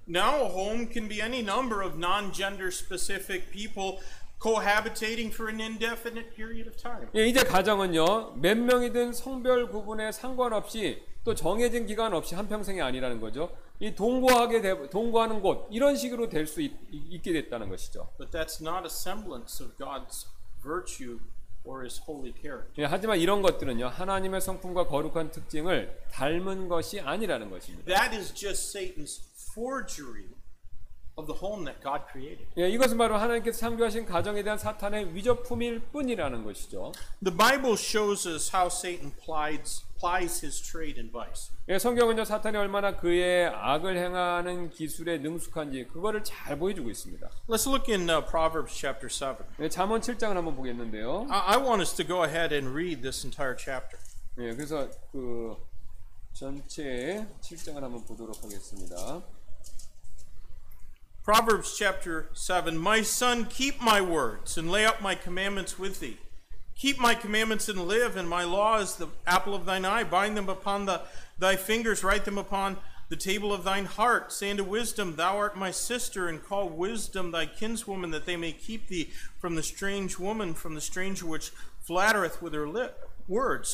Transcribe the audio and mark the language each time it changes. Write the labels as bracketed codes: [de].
[en] Now a home can be any number of non-gender specific people cohabitating for an indefinite period of time. [ko] 예, 이제 가정은요 몇 명이든 성별 구분에 상관없이 또 정해진 기간 없이 한 평생이 아니라는 거죠. 이 동거하는 곳 이런 식으로 될 수 있게 됐다는 것이죠. [en] But that's not a semblance of God's virtue or His holy character. [ko] 예, 하지만 이런 것들은요 하나님의 성품과 거룩한 특징을 닮은 것이 아니라는 것입니다. [en] That is just Satan's forgery. Of the home that God created. [ko] 예, 이것은 바로 하나님께서 창조하신 가정에 대한 사탄의 위조품일 뿐이라는 것이죠. [en] The Bible shows us how Satan plies his trade in vice. [ko] 예, 성경은요 사탄이 얼마나 그의 악을 행하는 기술에 능숙한지 그거를 잘 보여주고 있습니다. [en] Let's look in Proverbs chapter 7. [ko] 예, 잠언 7장을 한번 보겠는데요. [en] I want us to go ahead and read this entire chapter. [ko] 예, 그래서 그 전체 7장을 한번 보도록 하겠습니다. [en] Proverbs chapter 7, My son, keep my words and lay up my commandments with thee. Keep my commandments and live, and my law is the apple of thine eye. Bind them upon thy fingers, write them upon the table of thine heart. Say unto wisdom, thou art my sister, and call wisdom thy kinswoman, that they may keep thee from the strange woman, from the stranger which flattereth with her words.